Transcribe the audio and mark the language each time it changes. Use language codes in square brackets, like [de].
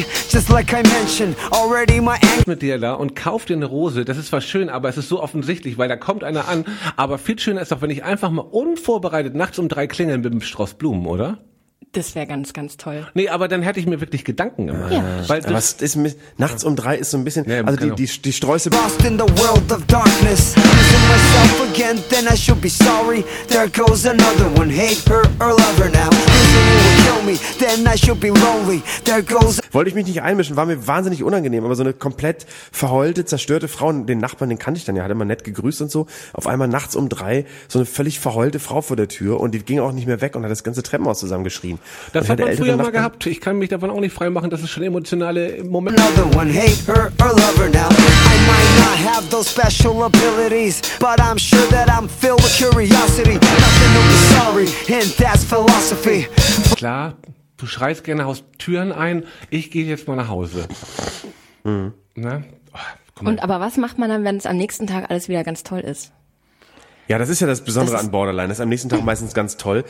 [en] Just like I mentioned, already my ex [de] mit dir da und kauf dir eine Rose. Das ist zwar schön, aber es ist so offensichtlich, weil da kommt einer an. Aber viel schöner ist doch, wenn ich einfach mal unvorbereitet nachts um drei klingeln mit dem Strauß Blumen, oder? Das wäre ganz, ganz toll. Nee, aber dann hätte ich mir wirklich Gedanken gemacht. Ja. Weil das ist nachts um drei ist so ein bisschen, ja, also die Sträuße. [en] Lost in the world of darkness. Losing myself again, then I should be sorry. There goes another one. Hate her or love her now. [de] Wollte ich mich nicht einmischen, war mir wahnsinnig unangenehm, aber so eine komplett verheulte, zerstörte Frau, den Nachbarn, den kannte ich dann ja, hat immer nett gegrüßt und so, auf einmal nachts um drei so eine völlig verheulte Frau vor der Tür und die ging auch nicht mehr weg und hat das ganze Treppenhaus zusammengeschrien. Das hat man früher mal gehabt, ich kann mich davon auch nicht freimachen, das ist schon emotionale Momente. [en] Another one, hate her or love her now. I might not have those special abilities, but I'm sure that I'm filled with curiosity. Nothing to be sorry, and that's philosophy. [de] Klar, du schreist gerne aus Türen ein, ich gehe jetzt mal nach Hause. Mhm. Na? Oh, komm mal. Und aber was macht man dann, wenn es am nächsten Tag alles wieder ganz toll ist? Ja, das ist ja das Besondere an Borderline, das ist am nächsten Tag meistens ganz toll.